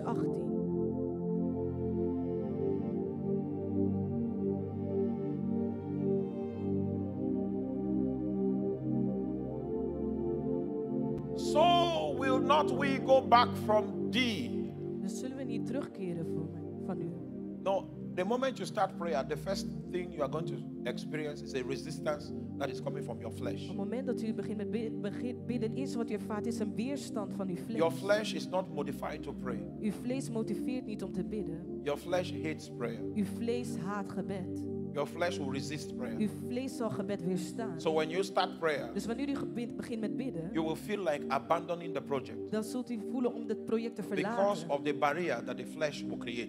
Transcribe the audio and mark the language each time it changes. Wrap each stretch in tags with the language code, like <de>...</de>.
<en>So will not we go back from thee?</en> <nl>Dus zullen we niet terugkeren voor mij, van u?</nl> <en>No. The moment you start prayer, the first thing you are going to experience is a resistance that is coming from your flesh.</en> <nl>Op het moment dat u begint met bidden, is wat je ervaart is een weerstand van uw vlees.</nl> <en>Your flesh is not modified to pray.</en> <nl>Uw vlees motiveert niet om te bidden.</nl> <en>Your flesh hates prayer.</en> <nl>Uw vlees haat gebed.</nl> <en>Your flesh will resist prayer.</en> <nl>Uw vlees zal gebed weerstaan.</nl> <en>So when you start prayer,</en> <nl>dus wanneer u begint met bidden,</nl> <en>you will feel like abandoning the project.</en> <nl>Dan zult u voelen om het project te verlaten.</nl> <en>Because of the barrier that the flesh will create.</en>